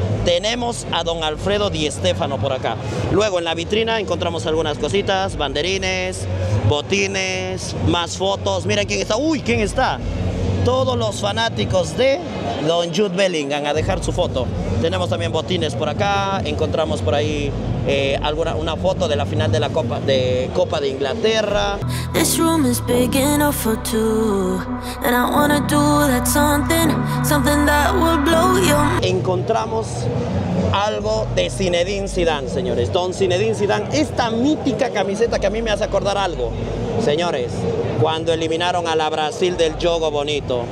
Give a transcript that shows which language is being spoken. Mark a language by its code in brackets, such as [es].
[es] Tenemos a don Alfredo Di Stéfano por acá. Luego en la vitrina encontramos algunas cositas, banderines, botines, más fotos. Miren quién está. ¡Uy! ¿Quién está? Todos los fanáticos de don Jude Bellingham a dejar su foto. Tenemos también botines por acá. Encontramos por ahí una foto de la final de la Copa de Inglaterra. [en] This room is big enough for two, and I wanna do that something that will blow your. [es] Encontramos algo de Zinedine Zidane, señores. Don Zinedine Zidane, esta mítica camiseta que a mí me hace acordar algo, señores, cuando eliminaron a la Brasil del Jogo Bonito.